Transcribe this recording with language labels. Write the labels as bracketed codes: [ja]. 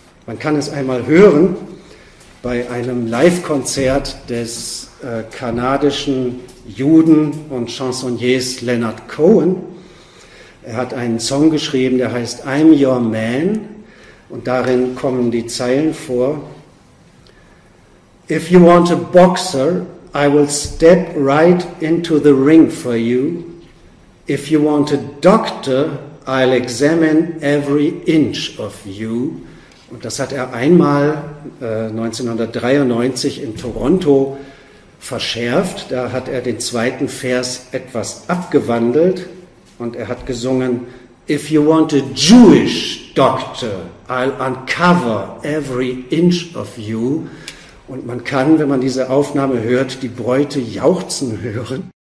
[de] Man kann es einmal hören bei einem Live-Konzert des kanadischen Juden und Chansonniers Leonard Cohen. Er hat einen Song geschrieben, der heißt I'm Your Man. Und darin kommen die Zeilen vor. [en] If you want a boxer, I will step right into the ring for you. If you want a doctor, I'll examine every inch of you. [de] Und das hat er einmal 1993 in Toronto verschärft. Da hat er den zweiten Vers etwas abgewandelt und er hat gesungen, [en] If you want a Jewish doctor, I'll uncover every inch of you. [de] Und man kann, wenn man diese Aufnahme hört, die Bräute jauchzen hören.